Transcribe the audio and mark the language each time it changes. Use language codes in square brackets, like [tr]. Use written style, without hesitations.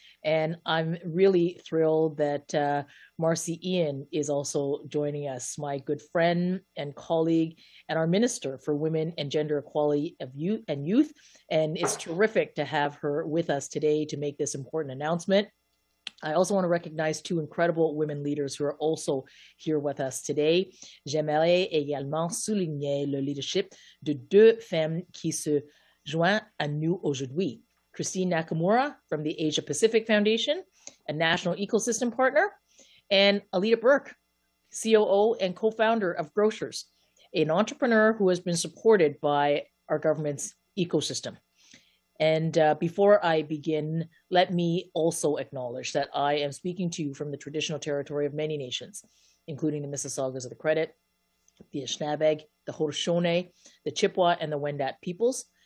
[en] And I'm really thrilled that Marci Ien is also joining us, my good friend and colleague and our Minister for Women and Gender Equality of Youth and Youth. And it's terrific to have her with us today to make this important announcement. I also want to recognize two incredible women leaders who are also here with us today. [fr] J'aimerais également souligner le leadership de deux femmes qui se joignent à nous aujourd'hui. [en] Christine Nakamura from the Asia Pacific Foundation, a national ecosystem partner, and Alida Burke, COO and co-founder of Grocers, an entrepreneur who has been supported by our government's ecosystem. And before I begin, let me also acknowledge that I am speaking to you from the traditional territory of many nations, including the Mississaugas of the Credit, the Anishinaabeg, the Haudenosaunee, the Chippewa, and the Wendat peoples.